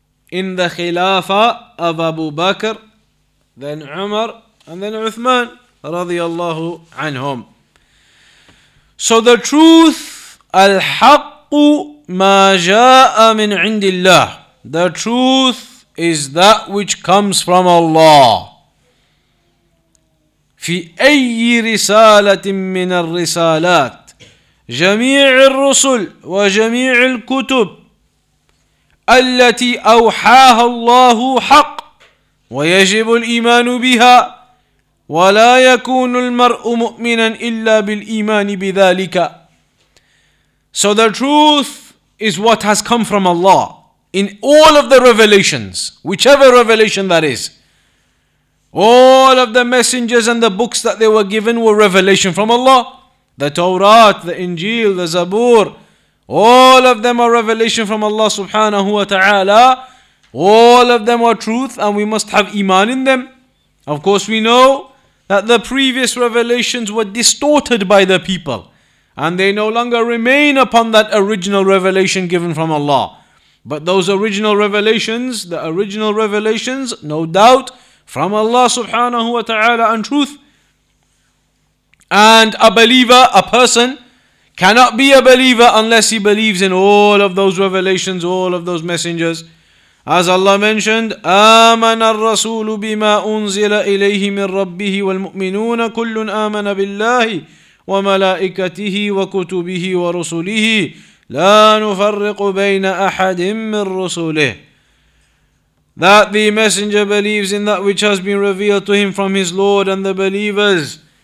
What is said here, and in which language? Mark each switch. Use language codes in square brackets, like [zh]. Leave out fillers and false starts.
[en] In the Khilafah of Abu Bakr, then Umar, and then Uthman radiyallahu anhum. So the truth, [ar] al-haqqu ma jaa'a min indillah. [en] The truth is that which comes from Allah. [ar] في أي رسالة من الرسالات جميع الرسل وجميع الكتب التي أوحاها الله حق ويجب الإيمان بها ولا يكون المرء مؤمنا إلا بالإيمان بذلك. [en] So the truth is what has come from Allah in all of the revelations, whichever revelation that is. All of the messengers and the books that they were given were revelation from Allah. The Torah, the Injil, the Zabur, all of them are revelation from Allah subhanahu wa ta'ala. All of them are truth and we must have iman in them. Of course we know that the previous revelations were distorted by the people, and they no longer remain upon that original revelation given from Allah. But those original revelations, the original revelations, no doubt, from Allah subhanahu wa ta'ala and truth. And a believer, a person, cannot be a believer unless he believes in all of those revelations, all of those messengers. As Allah mentioned, [ar] آمن الرسول بما أنزل إليه من ربه والمؤمنون كل آمن بالله وملائكته وكتبه ورسله لا نفرق بين أحد من رسله. [en] That the messenger believes in that which has been revealed to him from his Lord and the believers.